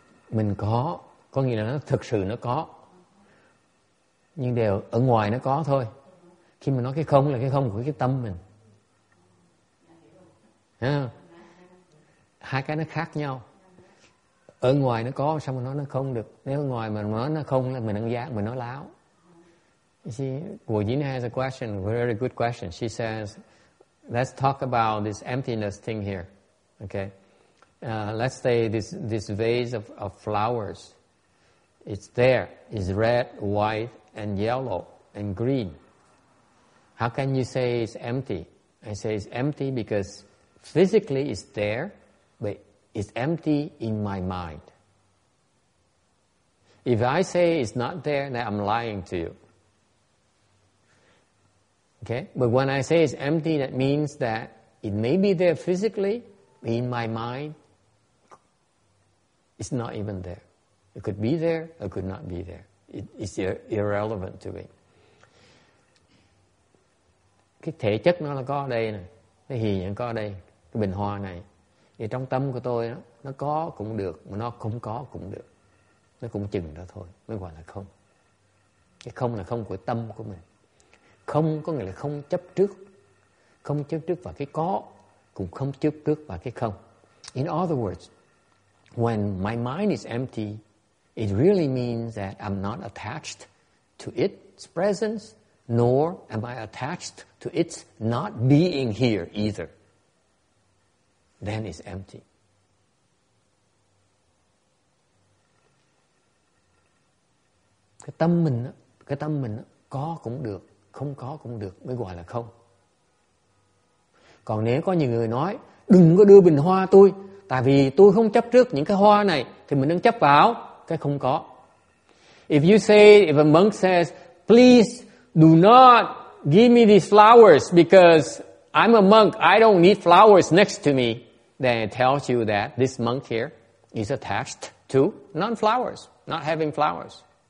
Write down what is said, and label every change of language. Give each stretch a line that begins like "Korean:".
Vietnamese: Mình có nghĩa là nó thực sự nó có. Nhưng đều ở ngoài nó có thôi. Khi mình nói cái không là cái không của cái tâm mình. Hai cái nó khác nhau. Ở ngoài nó có, xong rồi nói nó không được. Nếu ở ngoài mình nói nó không là mình ăn giác, mình nói láo.
English: You see, Wojina has a question, very good question. She says, let's talk about this emptiness thing here. Okay. Let's say this vase of flowers, it's there. It's red, white, and yellow, and green. How can you say it's empty? I say it's empty because physically it's there, but it's empty in my mind. If I say it's not there, then I'm lying to you. Okay? But when I say it's empty, that means that it may be there physically, but in my mind, it's not even there. It could be there, it could not be there. It's irrelevant to me.
Vietnamese: Cái thể chất nó là có ở đây này, cái hiện tượng có ở đây, cái bình hoa này. Thì trong tâm của tôi nó có cũng được, mà nó không có cũng được. Nó cũng chừng đó thôi, mới gọi là không. Cái không là không của tâm của mình. Không có nghĩa là không chấp trước. Không chấp trước vào cái có, cũng không chấp trước vào cái không.
English: In other words, when my mind is empty, it really means that I'm not attached to its presence, nor am I attached to its not being here either. Then it's empty.
Vietnamese: Cái tâm mình có cũng được, không có cũng được, mới gọi là không. Còn nếu có nhiều người nói, đừng có đưa bình hoa tôi, tại vì tôi không chấp trước những cái hoa này, thì mình đang chấp vào cái không có.
English: If a monk says, please do not give me these flowers because I'm a monk, I don't need flowers next to me, then it tells you that this monk here is attached to non-flowers, not having flowers.